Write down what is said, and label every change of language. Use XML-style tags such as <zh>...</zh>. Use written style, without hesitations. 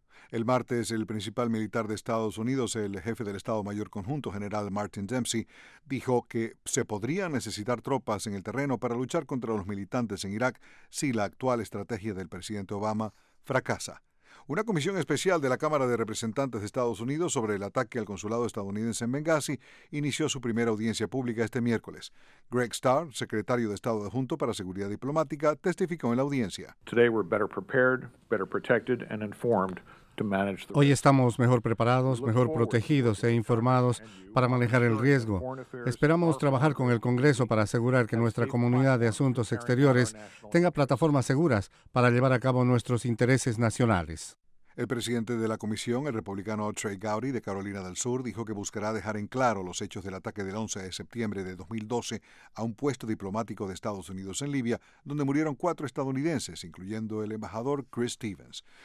<es>El martes, el principal militar de Estados Unidos, el jefe del Estado Mayor Conjunto, general Martin Dempsey, dijo que se podría necesitar tropas en el terreno para luchar contra los militantes en Irak si la actual estrategia del presidente Obama fracasa. Una comisión especial de la Cámara de Representantes de Estados Unidos sobre el ataque al consulado estadounidense en Benghazi inició su primera audiencia pública este miércoles. Greg Starr, secretario de Estado adjunto para Seguridad Diplomática, testificó en la audiencia.</es> <en>Today we're better prepared, better protected and informed.</en> <es>Hoy estamos mejor preparados, mejor protegidos e informados para manejar el riesgo. Esperamos trabajar con el Congreso para asegurar que nuestra comunidad de asuntos exteriores tenga plataformas seguras para llevar a cabo nuestros intereses nacionales. El presidente de la comisión, el republicano Trey Gowdy de Carolina del Sur, dijo que buscará dejar en claro los hechos del ataque del 11 de septiembre de 2012 a un puesto diplomático de Estados Unidos en Libia, donde murieron 4 estadounidenses, incluyendo el embajador Chris Stevens.</es>